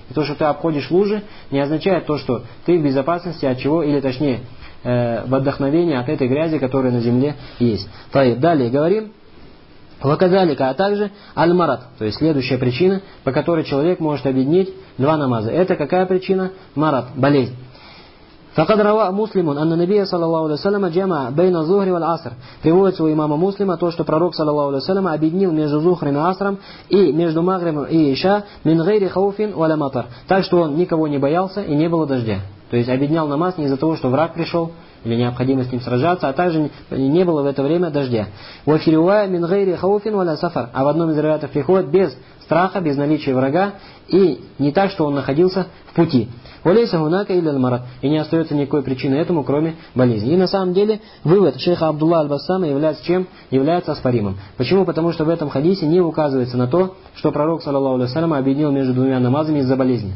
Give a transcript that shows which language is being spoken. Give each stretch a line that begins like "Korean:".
Russian: И то, что ты обходишь лужи, не означает то, что ты в безопасности от чего, или точнее, в отдохновении от этой грязи, которая на земле есть. Таиб. Далее говорим. Вакадалика, а также аль-марат, то есть следующая причина, по которой человек может объединить два намаза. Это какая причина? Марат, болезнь.
Arabic: فقد روى مسلم أن النبي صلى الله عليه وسلم جمع بين الظهر والعصر.
Russian: Приводится у имама Муслима то, что пророк
Arabic: صلى الله عليه وسلم
Russian: объединил между Зухром и Асром и между Магрибом и Иша
Arabic: من غير خوف ولا مطر.
Russian: Так что он никого не боялся и не было дождя. То есть объединял намаз не из-за того, что враг пришел или необходимо с ним сражаться, а также не было в это время дождя.
Arabic: وفي رواية من غير خوف ولا سفر.
Russian: А в одном из вариантов приходит без страха, без наличия врага и не так, что он находился в пути. И не остается никакой причины этому, кроме болезни. И на самом деле, вывод шейха Абдулла Аль-Бассама является чем? Является оспоримым. Почему? Потому что в этом хадисе не указывается на то, что пророк, саллаллаху алейхи ва саллям, объединил между двумя намазами из-за болезни.